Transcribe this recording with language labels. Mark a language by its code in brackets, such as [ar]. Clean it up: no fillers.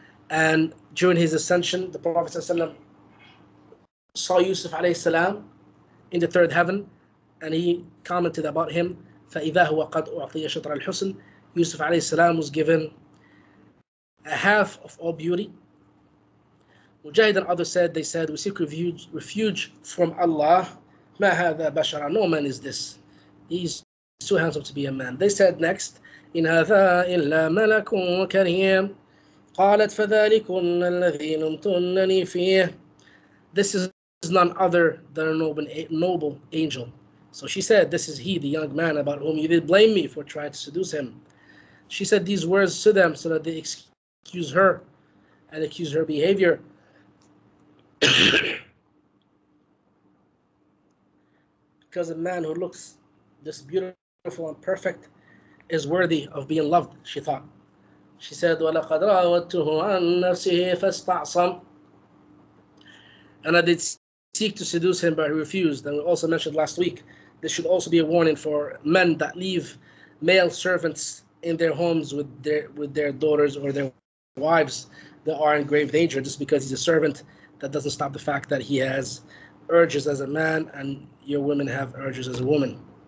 [en] And during his ascension, the Prophet sallallahu alayhi wa sallam saw Yusuf alayhi salam in the third heaven, and he commented about him, [ar] فَإِذَا هُوَ قَدْ أُعْطِيَ شَطْرَ الْحُسْنِ. [en] Yusuf alayhi salam was given a half of all beauty. Mujahid and others said, they said, "We seek refuge from Allah. [ar] مَا هَذَا بَشَرًا." [en] No man is this. He's too handsome to be a man. They said next, [ar] "إِنْ هَذَا إِلَّا مَلَكٌ كَرِيمٌ قَالَتْ فَذَلِكُنَّ الَّذِي لُمْتُنَّنِي فِيهِ." [en] This is none other than a noble angel. So she said, "This is he, the young man about whom you did blame me for trying to seduce him." She said these words to them so that they excuse her and accuse her behavior. Because a man who looks this beautiful and perfect is worthy of being loved, she thought. She said, [ar] وَلَقَدْ رَاوَدْتُهُ عَنْ نَفْسِهِ فَاسْتَعْصَمُ. [en] And I did seek to seduce him, but he refused. And we also mentioned last week, this should also be a warning for men that leave male servants in their homes with their daughters or their wives. They are in grave danger. Just because he's a servant, that doesn't stop the fact that he has urges as a man, and your women have urges as a woman.